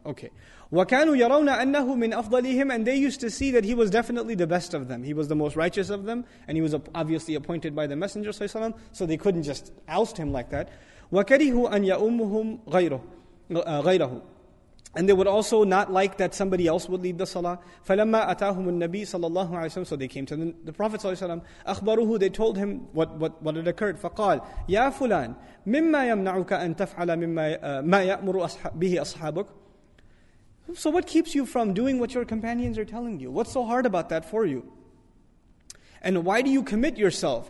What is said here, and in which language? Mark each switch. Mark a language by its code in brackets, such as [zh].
[ar] Okay. وَكَانُوا يَرَوْنَ أَنَّهُ مِنْ أَفْضَلِهِمْ. [en] And they used to see that he was definitely the best of them. He was the most righteous of them. And he was obviously appointed by the Messenger, so they couldn't just oust him like that. [ar] وَكَرِهُوا أَنْ يَأُمُّهُمْ غَيْرَهُ. [en] And they would also not like that somebody else would lead the salah. [ar] فَلَمَّا أَتَاهُمُ النَّبِيِّ صَلَى اللَّهُ عَلَيْهِ وَسَلَّمَ. [en] So they came to the Prophet [ar] صلى الله عليه وسلم. أَخْبَرُهُ. [en] They told him what had occurred. [ar] فَقَالَ يَا فُلَانْ مِمَّا يَمْنَعُكَ أَن تَفْعَلَ مَا يَأْمُرُ بِهِ أَصْحَابُكَ. [en] So what keeps you from doing what your companions are telling you? What's so hard about that for you? And why do you commit yourself?